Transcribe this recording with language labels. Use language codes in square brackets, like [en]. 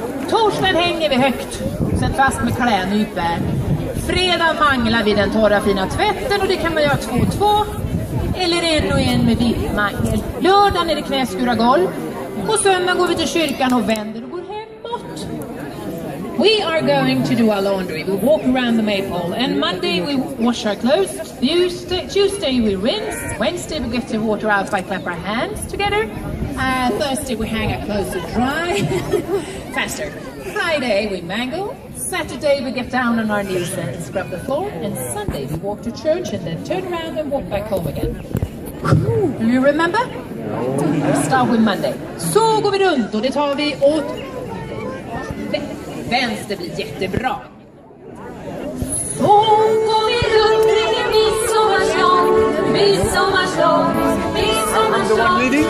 [sv] Torsdagen hänger vi högt, sätt fast med klänyper. Fredag manglar vi den torra fina tvätten, och det kan man göra två och två. Eller en och en med vippmangel. Lördagen är det knäskura golv. På söndag går vi till kyrkan och vänder och går hemåt. [en] We are going to do our laundry. We walk around the Maypole. And Monday we wash our clothes. Tuesday we rinse. Wednesday we get to water out by clap our hands together. Thursday we hang our clothes to dry. Faster. Friday we mangle. Saturday we get down on our knees and scrub the floor. And Sunday we walk to church and then turn around and walk back home again. Do you remember? We start with Monday. [sv] Så går vi runt och det tar vi åt vänster, blir jättebra. Så går vi runt kring en midsommarstång, midsommarstång, midsommarstång.